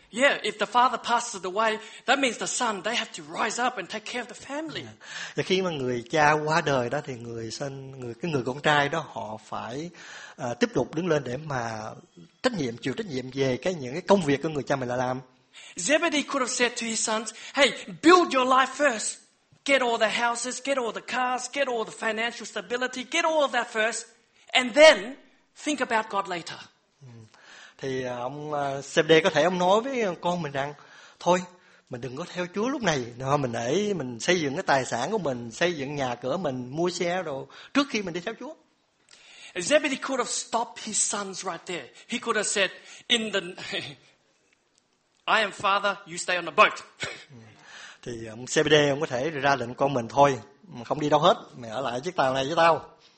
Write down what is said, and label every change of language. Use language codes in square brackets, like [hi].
[en] Yeah, if the father passes away, that means the son, they have to rise up and take care of the family. [vi] Và khi mà người cha qua đời đó thì người con trai đó họ phải tiếp tục đứng lên để mà chịu trách nhiệm về những công việc của người cha mình là làm. [en] Zebedee could have said to his sons, "Hey, build your life first. Get all the houses, get all the cars, get all the financial stability, get all of that first and then think about God later." [vi] Thì ông Zebedee có thể ông nói với con mình rằng thôi mình đừng có theo Chúa lúc này, thôi mình để mình xây dựng cái tài sản của mình, xây dựng nhà cửa mình, mua xe rồi trước khi mình đi theo Chúa. [en] Zebedee could have stopped his sons right there. He could have said in the I am father, you stay on the boat. [vi] Thì ông Zebedee ông có thể ra lệnh con mình thôi, không đi đâu hết, mày ở lại chiếc tàu này với tao.